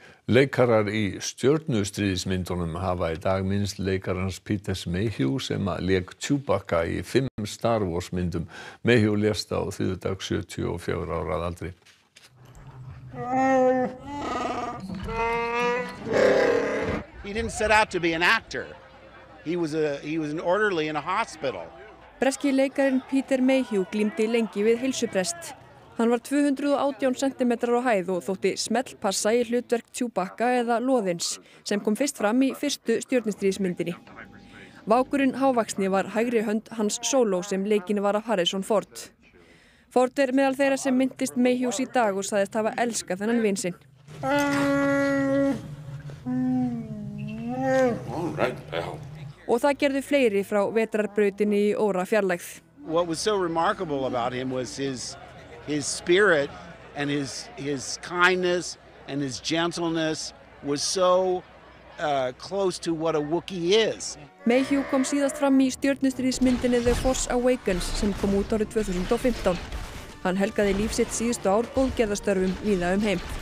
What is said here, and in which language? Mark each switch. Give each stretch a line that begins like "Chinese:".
Icelandic: Leikarar í stjörnustríðismyndunum hafa í dag minnst leikarans Peter Mayhew sem að lék Chewbacca í 5 Star Wars myndum. Mayhew lést á þriðjudag 74 ára að aldri.
English: He didn't set out to be an actor. He was an orderly in a hospital.
Icelandic: Breski leikarinn Peter Mayhew glímdi lengi við heilsubrest. Hann var 218 cm á hæð og þótti smellpassa í hlutverk Chewbacca eða Loðins sem kom fyrst fram í fyrstu stjörnustríðismyndinni. Vákurinn hávaxni var hægri hönd Hans Solo sem leikinn var af Harrison Ford. Ford er meðal þeirra sem myndist Mayhews í dag og sagðist hafa elskað þennan vin sinn. Og það gerðu fleiri frá vetrarbrautinni í óra fjarlægð.
English: What was so remarkable about him was his spirit and his kindness and his gentleness was so close to what a Wookiee is.
Icelandic: Mayhew kom síðast fram í stjörnustríðismyndinni The Force Awakens sem kom út árið 2015. Hann helgaði líf sitt síðustu ár góðgerðastörfum víða heim.